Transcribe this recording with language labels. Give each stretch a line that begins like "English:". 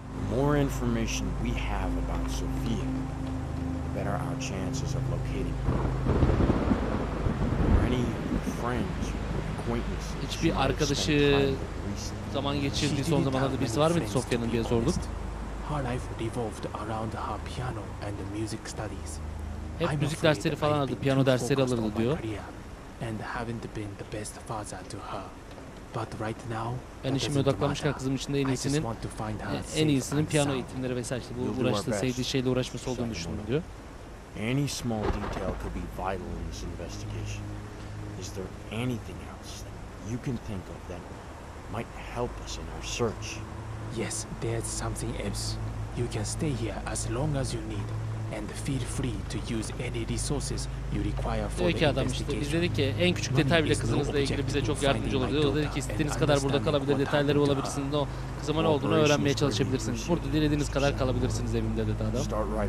English: The more information we have about Sophia, the better our chances of locating her. Any friends, acquaintances?
Turkish: Hiçbir arkadaşı zaman geçirdiği son zamanlarda birisi var mıydı Sophia'nın diye sorduk.
English: Her life revolved around her piano and the music studies.
Turkish: Hep müzik dersleri falan aldı, piyano dersleri alırdı diyor.
English: And haven't been the best father to her. But right now,
Turkish: ben işime odaklanmışken kızım için de en iyisinin piyano eğitimleri vesaire işte bu uğraştığı sevdiği şeyle uğraşması olduğunu düşündüm diyor.
English: Any small detail could be vital in this investigation. Is there anything else that you can think of that might help us in our search? Yes, there's something else. You can stay here as long as you need and feel free to use any resources you require for the investigation.
Turkish: Biz dedik ki en küçük detay bile kızınızla ilgili bize çok yardımcı olur. O dedi ki istediğiniz kadar burada kalabilir, detayları olabilirsiniz. O kızıma ne olduğunu öğrenmeye çalışabilirsiniz. Burada dilediğiniz kadar kalabilirsiniz evimde dedi adam.